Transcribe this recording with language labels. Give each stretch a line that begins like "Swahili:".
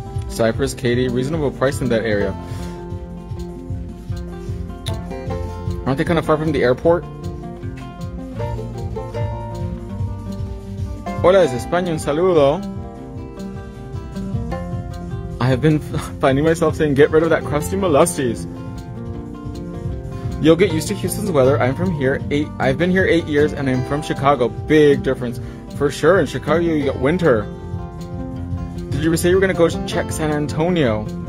English: Cypress, Katie, reasonable price in that area. Aren't they kind of far from the airport?
Spanish: Hola, es España, un saludo.
English: I have been finding myself saying, get rid of that crusty molesties. You'll get used to Houston's weather. I'm from here. I've been here 8 years and I'm from Chicago. Big difference. For sure, in Chicago you get winter. Did you say you were gonna go check San Antonio?